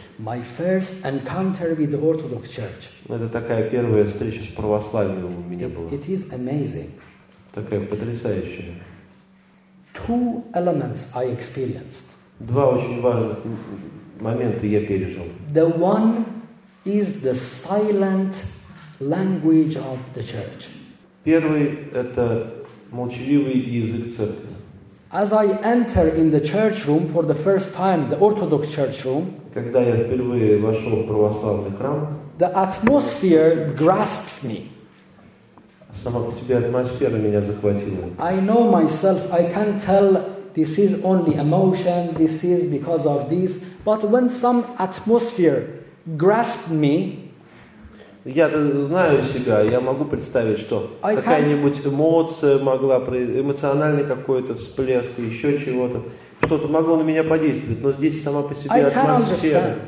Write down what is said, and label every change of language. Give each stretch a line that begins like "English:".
English: My first encounter with the Orthodox Church.
Russian: Это такая первая встреча с православием у меня была.
English: It is amazing.
Russian: Такая потрясающая.
English: Two elements I experienced.
Russian: Два очень важных момента я пережил.
English: The one is the silent language of the Church.
Russian: Первый – это молчаливый язык церкви.
English: As I enter in the church room for the first time, the Orthodox church room,
Russian: когда я впервые вошел в православный храм,
English: the atmosphere grasps me.
Russian: Сама по себе атмосфера меня захватила.
English: I know myself, I can tell this is only emotion, this is because of this, but when some atmosphere grasps me,
Russian: я знаю себя, я могу представить, что какая-нибудь эмоция могла, эмоциональный какой-то всплеск, еще чего-то, что-то могло на меня подействовать, но здесь сама по себе атмосфера.